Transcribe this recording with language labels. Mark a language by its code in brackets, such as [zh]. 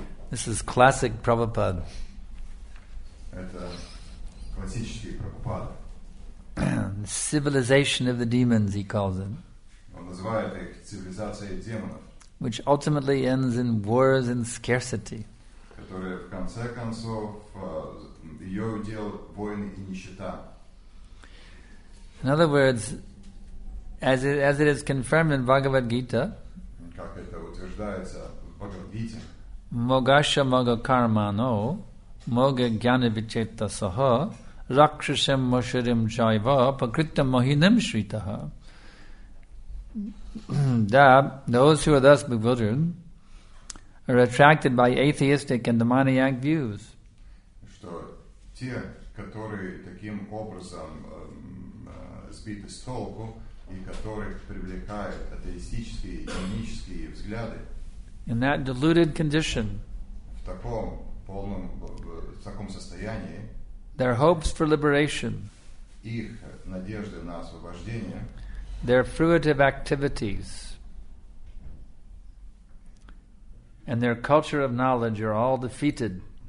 [en] This is classic Prabhupada. [ru] Это классический Прабхупада. [en] Civilization of the demons, he calls it. [ru] Он называет их цивилизацией демонов. [en] Which ultimately ends in wars and scarcity. [ru] Которые в конце концов ее удел войны и нищета. [en] In other words, as it is confirmed in Bhagavad Gita, [ru] как это утверждается в Бхагавад Гите, [sa] Могаша мага кармано, мога гьяна вичетта саха, ракшасам мошарим джайва, пакритта мохинам шритаха. [en] That those who are thus bewildered are attracted by atheistic and demoniac views. [ru] Что те, которые таким образом сбиты с толку и которых привлекают атеистические и демонические взгляды, [en] in that deluded condition, [ru] в таком полном, в таком состоянии, [en] their hopes for liberation, [ru] их надежды на освобождение, [en] their fruitive activities, and their culture of knowledge are all defeated.